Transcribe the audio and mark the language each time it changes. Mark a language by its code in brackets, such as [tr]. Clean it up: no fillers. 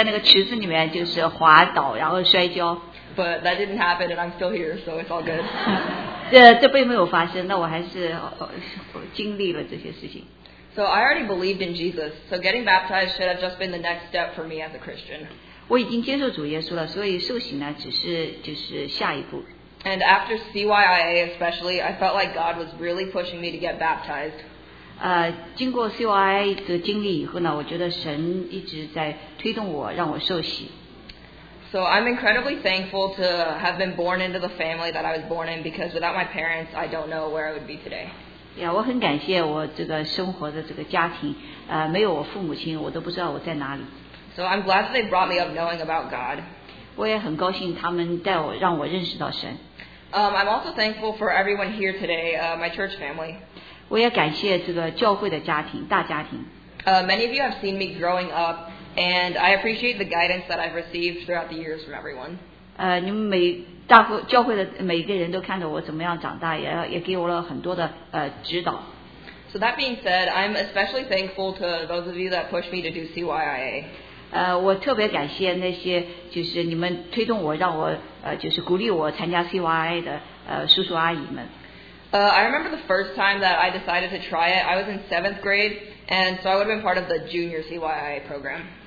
[zh] 我担心我会不会在那个池子里面就是滑倒然后摔跤。 [en] But that didn't happen, and I'm still here, so it's all good. [zh] 这并没有发生，那我还是经历了这些事情。 [en] So I already believed in Jesus, so getting baptized should have just been the next step for me as a Christian. [zh] 我已经接受主耶稣了，所以受洗呢，只是下一步。 [en] And after CYIA especially, I felt like God was really pushing me to get baptized. [zh] 经过 CYIA的经历以后呢， 我觉得神一直在推动我，让我受洗。 [en] So I'm incredibly thankful to have been born into the family that I was born in because without my parents, I don't know where I would be today. [zh] Yeah, 我很感谢我这个生活的这个家庭， 没有我父母亲， 我都不知道我在哪里。 [en] So I'm glad that they brought me up knowing about God. [zh] 我也很高兴他们带我， 让我认识到神。 [en] I'm also thankful for everyone here today, my church family. [zh] 我也感谢这个教会的家庭， 大家庭。 [en] Many of you have seen me growing up, and I appreciate the guidance that I've received throughout the years from everyone. [zh] 你们每大会教会的每一个人都看到我怎么样长大，也给我了很多的指导。 [en] So that being said, I'm especially thankful to those of you that pushed me to do CYIA. [zh] 我特别感谢那些就是你们推动我让我就是鼓励我参加CYIA的叔叔阿姨们。 [en] I remember the first time that I decided to try it. I was in 7th grade, and so I would have been part of the junior CYIA program.